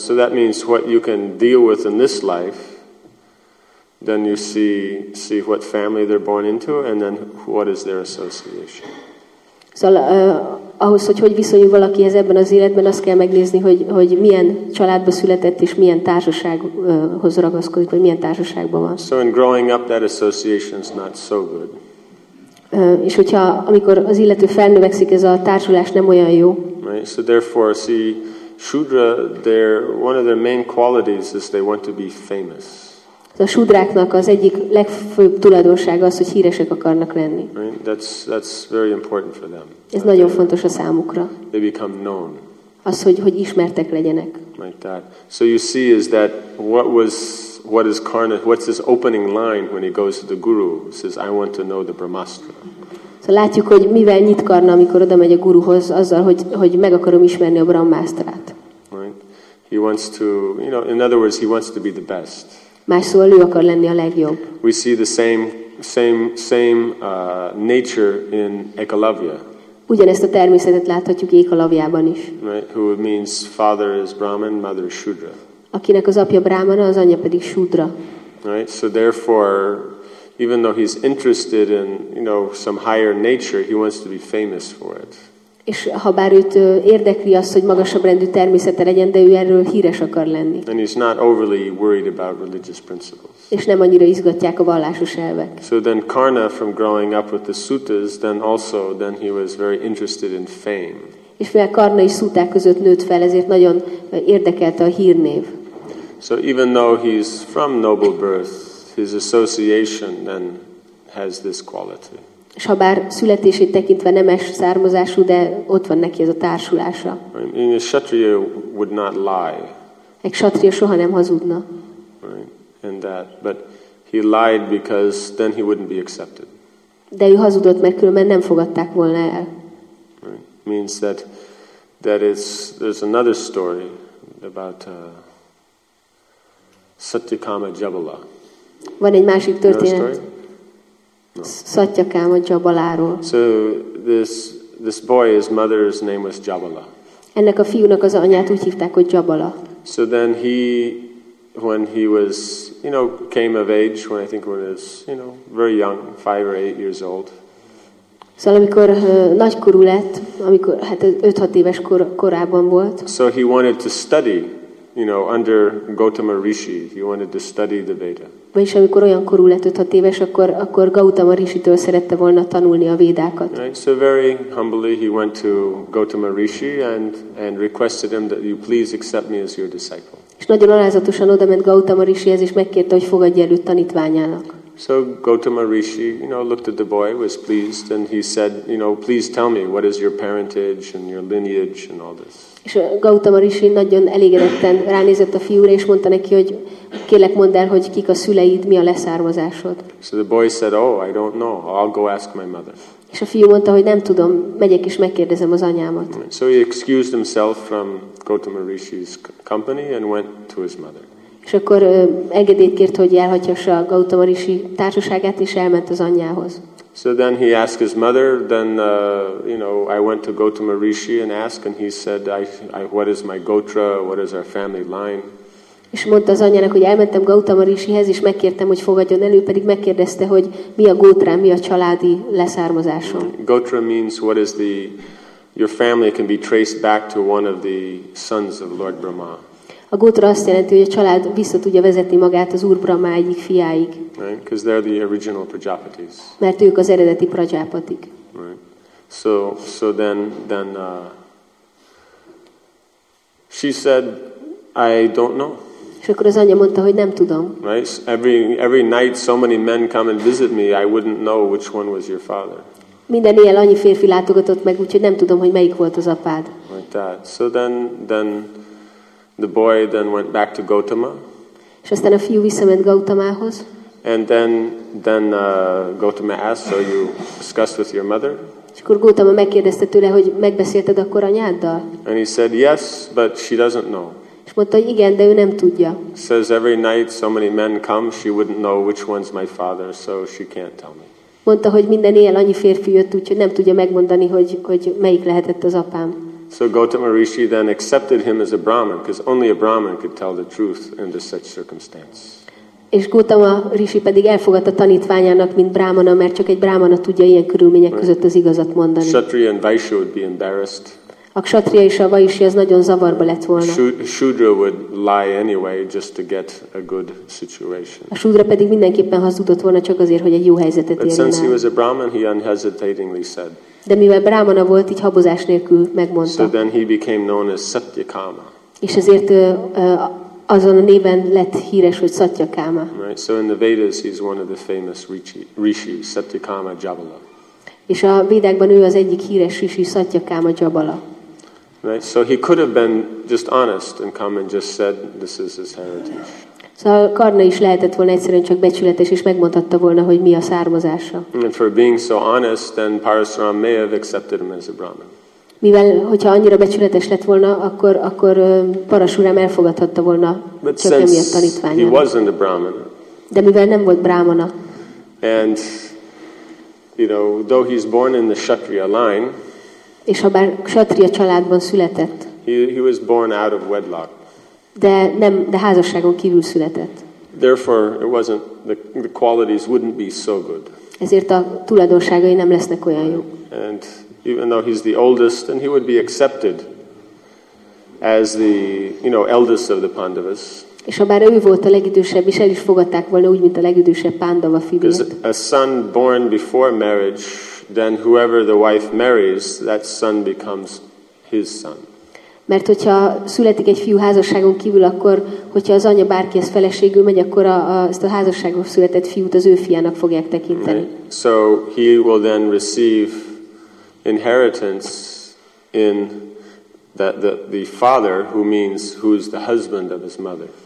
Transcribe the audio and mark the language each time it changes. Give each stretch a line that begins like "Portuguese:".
English: So that means what you can deal with in this life, then you see what family they're born into, and then what is their association.
Hungarian: Szóval, ahhoz, hogy viszonyul valakihez ebben az életben, azt kell megnézni, hogy milyen családba született és milyen társasághoz ragaszkodik, vagy milyen társaságban van.
English: So in growing up, that association is not so good.
Hungarian: És hogyha amikor az illető felnövekszik, ez a társulás nem olyan jó.
English: Right? So therefore, see, Shudra, their one of their main qualities is they want to be famous.
Hungarian: A shudráknak az egyik legfőbb tulajdonsága az, hogy híresek akarnak lenni.
English: That's very important for them.
Hungarian: Ez nagyon fontos a számukra.
English: They become known.
Hungarian: Az, hogy ismertek legyenek.
English: Like that. So you see, is that what is Karna? What's his opening line when he goes to the guru? He says, "I want to know the Brahmastra."
Hungarian: Szóval látjuk, hogy mivel nyit Karna, amikor oda megy a guruhoz, azzal, hogy meg akarom ismerni a Brahmastrát.
English: Right. He wants to, you know, in other words, he wants to be the best.
Hungarian: Más szóval ő akar lenni a legjobb.
English: We see the same nature in Ekalavya.
Hungarian: Ugyanezt a természetet láthatjuk Ekalavyában is.
English: Right, who means father is Brahman, mother is Shudra.
Hungarian: Akinek az apja Brahmana, az anyja pedig Shudra.
English: Right, so therefore, even though he's interested in, you know, some higher nature, he wants to be famous for it.
Hungarian: És ha bár őt érdekli az, hogy magasabb rendű természete legyen, de ő erről híres akar lenni.
English: And he's not overly worried about religious principles.
Hungarian: És nem annyira izgatják a vallásos elvek.
English: So then Karna, from growing up with the suttas, then he was very interested in fame.
Hungarian: És mivel Karna is szuták között nőtt fel, ezért nagyon érdekelte a hírnév.
English: So even though he's from noble birth, his association then has this quality.
Hungarian: És ha bár születését tekintve nemes származású, de ott van neki ez a társulása.
English: Right. A kshatriya would not lie.
Hungarian: Egy kshatriya soha nem hazudna.
English: Right. And that, but he lied because then he wouldn't be accepted.
Hungarian: De ő hazudott, mert különben nem fogadták volna el.
English: Right. Means that it's, there's another story about Satyakama Jabala.
Hungarian: Van egy másik történet. Satyakáma Jabaláról.
English: So this boy, his mother's name was Jabala.
Hungarian: Ennek a fiúnak az anyját úgy hívták, hogy Jabala.
English: So then he, when he was, you know, came of age, when I think he was, you know, very young, 5 or 8 years old.
Hungarian: Szóval amikor nagykorú lett, amikor hát 5-6 éves korában volt.
English: So he wanted to study, you know, under Gautama Rishi. He wanted to study the Veda.
Hungarian: Vagyis amikor olyan korú lett 5-6 éves, akkor Gautama Rishitől szerette volna tanulni a védákat.
English: Right. So very humbly he went to Gautama Rishi and requested him that you please accept me as your disciple.
Hungarian: És nagyon alázatosan odament Gautama Rishihez, és megkérte, hogy fogadja el őt tanítványának.
English: So Gautama Rishi, you know, looked at the boy, was pleased, and he said, you know, please tell me, what is your parentage and your lineage and all this.
Hungarian: És Gautama Rishi nagyon elégedetten ránézett a fiúra, és mondta neki, hogy kérlek, mondd el, hogy kik a szüleid, mi a leszármazásod.
English: So the boy said, oh, I don't know, I'll go ask my mother.
Hungarian: És a fiú mondta, hogy nem tudom, megyek és megkérdezem az anyámat.
English: So he excused himself from Gautama Rishi's company and went to his mother.
Hungarian: És akkor engedélyt kért, hogy elhagyhassa a Gautama Rishi társaságát, és elment az anyjához.
English: So then he asked his mother, then, you know, I went to Gautama Rishi and asked, and he said, I what is my gotra, what is our family line?
Hungarian: És mondta az anyának, hogy elmentem Gautama Rishihez, és megkértem, hogy fogadjon el, ő pedig megkérdezte, hogy mi a gotra, mi a családi leszármazásom.
English: Gotra means what is the, your family can be traced back to one of the sons of Lord Brahma.
Hungarian: A gótra azt jelenti, hogy a család vissza tudja vezetni magát az Úr Brahma egyik fiáig.
English: Right, 'cause they're the original Prajapatis.
Hungarian: Mert ők az eredeti Prajapatik.
English: Right. So then she said, I don't know.
Hungarian: És akkor az anya mondta, hogy nem tudom.
English: Right. Every night so many men come and visit me, I wouldn't know which one was your father.
Hungarian: Minden éjjel annyi férfi látogatott meg, úgyhogy nem tudom, hogy melyik volt az apád.
English: Like that. So then the boy then went back to Gautama.
Hungarian: És aztán a fiú visszament Gautamához.
English: And then Gautama asked, so you discussed with your mother?
Hungarian: És akkor Gautama megkérdezte tőle, hogy megbeszélted akkor anyáddal?
English: And he said, yes, but she doesn't know.
Hungarian: És mondta, hogy igen, de ő nem tudja.
English: Says every night so many men come, she wouldn't know which one's my father, so she can't tell me.
Hungarian: Mondta, hogy minden éjjel annyi férfi jött, úgyhogy nem tudja megmondani, hogy melyik lehetett az apám.
English: So Gautama Rishi then accepted him as a Brahman, because only a Brahman could tell the truth under such circumstance.
Hungarian: És Gautama Rishi pedig elfogadta tanítványának, mint Brahmana, mert csak egy Brahmana tudja ilyen körülmények között az igazat mondani.
English: Kshatriya and Vaishya would be embarrassed.
Hungarian: A ksatria és a vajsi az nagyon zavarba lett volna.
English: Shudra would lie anyway just to get a good situation.
Hungarian: A shudra pedig mindenképpen hazudott volna csak azért, hogy egy jó helyzetet érjen el.
English: Since he was a Brahman, he unhesitatingly said.
Hungarian: De mivel brahmana volt, így habozás nélkül megmondta.
English: So then he became known as Satyakama.
Hungarian: És ezért azon a néven lett híres, hogy Satyakama.
English: Right, so in the Vedas he's one of the famous rishi Satyakama Jabala.
Hungarian: És a Védákban ő az egyik híres rishi Satyakama Jabala.
English: Right, so he could have been just honest and come and just said this is his heritage.
Hungarian: Szóval Karna is lehetett volna egyszerűen csak becsületes és megmondhatta volna, hogy mi a származása.
English: And for being so honest, then Parasuram may have accepted him as a Brahman.
Hungarian: Mivel hogyha annyira becsületes lett volna, akkor Parasuram elfogadhatta volna csak emiatt tanítványát.
English: He wasn't a Brahman.
Hungarian: De mivel nem volt brahmana.
English: And you know, though he's born in the Kshatriya line,
Hungarian: és ha bár Kshatriya családban született,
English: he was born out of wedlock.
Hungarian: De házasságon kívül született.
English: Therefore, it wasn't the qualities wouldn't be so good.
Hungarian: Ezért a tulajdonságai nem lesznek olyan jó.
English: And even though he's the oldest, and he would be accepted as the, you know, eldest of the Pandavas.
Hungarian: És ha bár ő volt a legidősebb, és el is fogadták volna úgy, mint a legidősebb Pandava fiút.
English: Because a son born before marriage, then whoever the wife marries, that son becomes his son.
Hungarian: Mert hogyha születik egy fiú házasságon kívül, akkor hogyha az anya bárki ez feleségül megy, akkor ezt a házasságon született fiút az ő fiának fogják tekinteni.
English: Right. So he will then receive inheritance in the father, who means who is the husband of his mother.